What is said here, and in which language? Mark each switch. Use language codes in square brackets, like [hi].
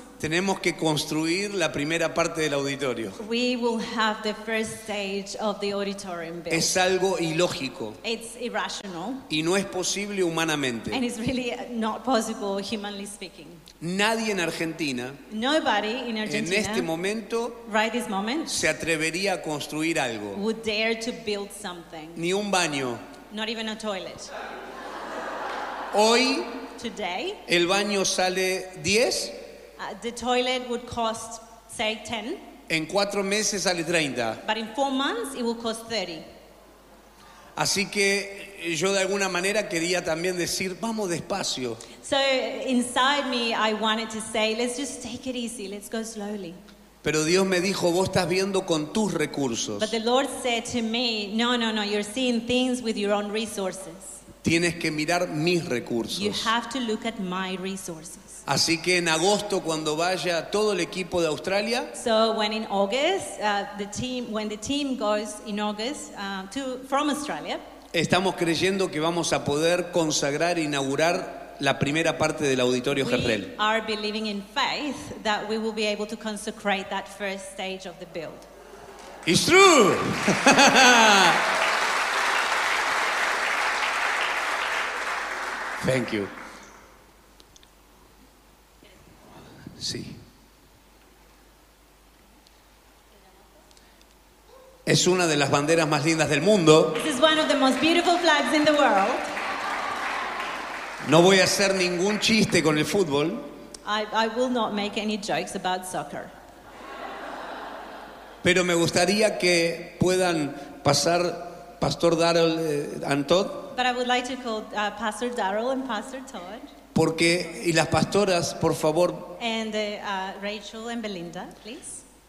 [es] tenemos que construir la primera parte del auditorio. [en] We will have the first stage of the auditorium built. [es] Es algo ilógico. [en] It's irrational. [es] Y no es posible humanamente. [en] And it's really not possible, humanly speaking. [es] Nadie en Argentina, [en] nobody in Argentina, [es] en este momento, [en] right this moment, [es] se atrevería a construir algo. [en] Would dare to build something. [es] Ni un baño. [en] Not even a toilet. [es] Hoy, [en] today, [es] el baño sale 10. [en] The toilet would cost, say, 10. [es] En 4 meses sale 30. [en] But in 4 months, it will cost 30. [es] Así que yo de alguna manera quería también decir, vamos despacio. [en] So inside me, I wanted to say, let's just take it easy, let's go slowly. [es] Pero Dios me dijo, vos estás viendo con tus recursos. [en] But the Lord said to me, no, you're seeing things with your own resources. [es] Tienes que mirar mis recursos. [en] You have to look at my resources. [es] Así que en agosto, cuando vaya todo el equipo de Australia, [en] so when in August, the team goes in August from Australia, [es] estamos creyendo que vamos a poder consagrar e inaugurar la primera parte del auditorio Jezreel. [en] We are believing in faith that we will be able to consecrate that first stage of the build. It's true. Thank you. [es] Sí. Es una de las banderas más lindas del mundo. [en] This is one of the most beautiful flags in the world. [es] No voy a hacer ningún chiste con el fútbol. [en] I will not make any jokes about soccer. [es] Pero me gustaría que puedan pasar Pastor Daryl and Todd. [en] But I would like to call Pastor Daryl and Pastor Todd. [es] Porque, y las pastoras, por favor. [en] And Rachel and Belinda, please.